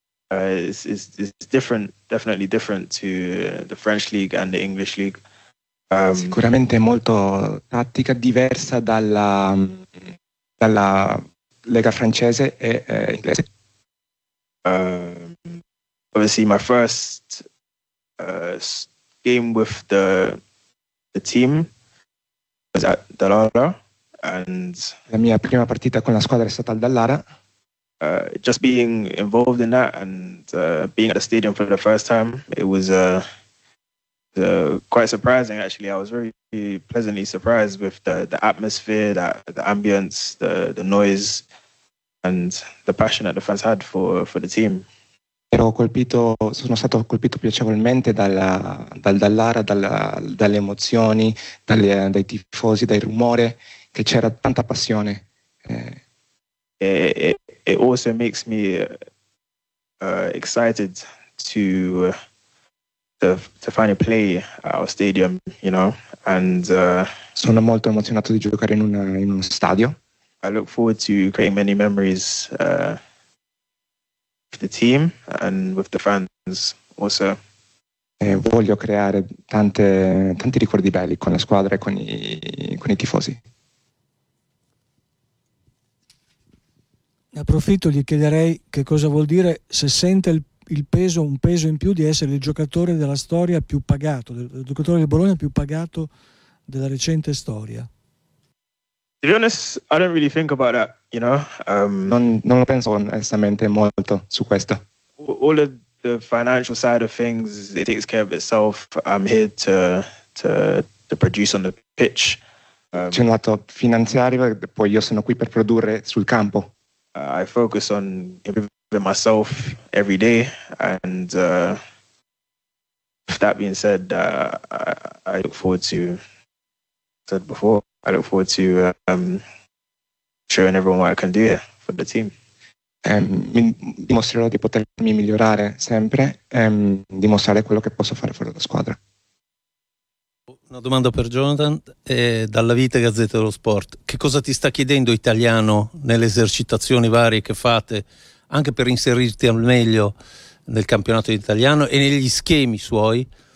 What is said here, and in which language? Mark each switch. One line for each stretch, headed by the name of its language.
English: It's different, definitely different to the French league and the English league.
Italian: Sicuramente è molto tattica, diversa dalla lega francese e inglese.
English: Obviously, my first game with the team. Was at Dallara, and
Italian: la mia prima partita con la squadra è stata al Dallara.
English: Just being involved in that and being at the stadium for the first time, it was quite surprising. Actually, I was very pleasantly surprised with the atmosphere, the ambience, the noise. and the passion that the fans had for the team.
Italian: Ero colpito, sono stato colpito piacevolmente dalle emozioni, dai tifosi, dal rumore, che c'era tanta passione.
English: It also makes me excited to finally play at our stadium, you know. And
Italian: sono molto emozionato di giocare in uno stadio.
English: I look forward to creating many memories with the team and with the fans also.
Italian: E voglio creare tanti ricordi belli con la squadra e con i tifosi. Approfitto, gli chiederei che cosa vuol dire se sente il peso, un peso in più di essere il giocatore della storia più pagato, il giocatore del Bologna più pagato della recente storia.
English: To be honest, I don't really think about that, you know.
Italian: Non lo penso onestamente molto su questo.
English: All of the financial side of things, it takes care of itself. I'm here to produce on the pitch.
Italian: C'è un lato finanziario, poi io sono qui per produrre sul campo.
English: I focus on improving myself every day, and that being said, I look forward to, as I said before, I look forward to showing everyone what I can do here for the team.
Italian: Dimostrerò di potermi migliorare sempre, dimostrare quello che posso fare fuori dalla squadra. Una domanda per Jonathan, dalla Vita Gazzetta dello Sport. Che cosa ti sta chiedendo Italiano nelle esercitazioni varie che fate, anche per inserirti al meglio nel campionato italiano e negli schemi suoi?